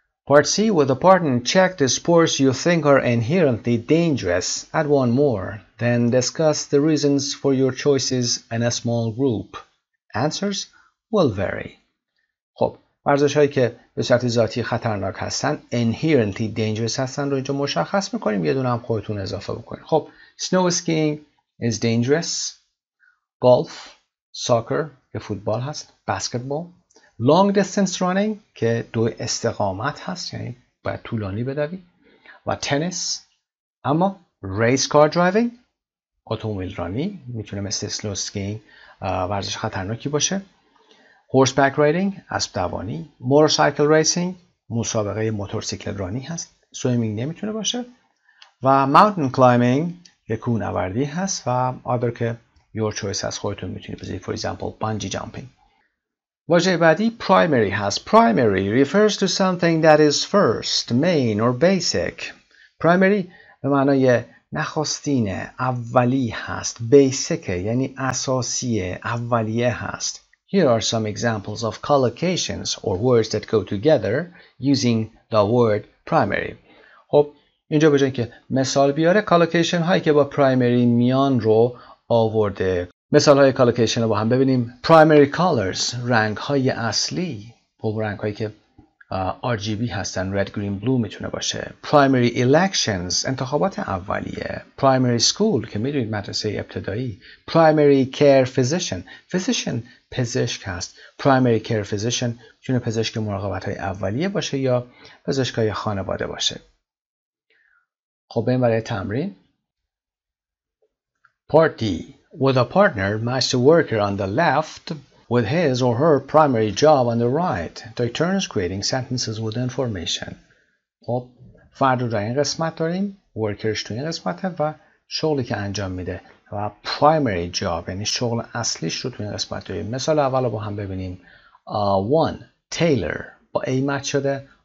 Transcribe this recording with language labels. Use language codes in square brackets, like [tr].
[en] Part C with a partner check the sports you think are inherently dangerous. Add one more. Then discuss the reasons for your choices in a small group. Answers will vary. [fa] خب، ورزش‌هایی که به صورت ذاتی خطرناک هستن، [en] inherently dangerous [fa] هستن رو اینجا مشخص می‌کنیم، یه دونه هم خودتون اضافه بکنید. [en] خب، snow skiing is dangerous. Golf, soccer [fa] که فوتبال هست، [en] basketball. Long distance running [fa] که دو استقامت هست، یعنی باید طولانی بدوی، و تنیس. اما [en] race car driving، [fa] اتومبیل رانی، میتونه مثل slow skiing ورزش خطرناکی باشه. [en] Horseback riding، [fa] اسب دوانی. [en] Motorcycle racing، [fa] مسابقه موتورسیکلت رانی هست. Swimming نمیتونه باشه. و mountain climbing، کوهنوردی هست. و other که [en] your choice [fa] هست، خودتون میتونی بذاری. [en] For example، bungee jumping. [fa] واژه بعدی primary هست. [en] Primary refers to something that is first, main or basic. [fa] Primary به معنای نخستینه، اولی هست. Basicه یعنی اساسیه، اولیه هست. [en] Here are some examples of collocations or words that go together using the word primary. [fa] خب اینجا به جای اینکه مثال بیاره، collocation هایی که با primary میان رو آورده. مثال های کالوکیشن رو با هم ببینیم. [en] Primary colors، [fa] رنگ های اصلی. پول رنگ هایی که RGB هستن، Red, Green, Blue میتونه باشه. [en] Primary elections، [fa] انتخابات اولیه. [en] Primary school [fa] که میدونید مدرسه ابتدایی. [en] Primary care physician، [fa] physician پزشک هست. Primary care physician میتونه پزشک مراقبت های اولیه باشه یا پزشک های خانواده باشه. خب بریم برای تمرین. [en] Part D. With a partner, match the worker on the left with his or her primary job on the right. Take turns creating sentences with information. [fa] خب، فرد رو در این قسمت داریم، ورکرش تو این قسمته و شغلی که انجام میده و [en] primary job [fa] یعنی شغل اصلیش رو تو این قسمت داریم. مثال اول رو با هم ببینیم. One, tailor. با A match شده.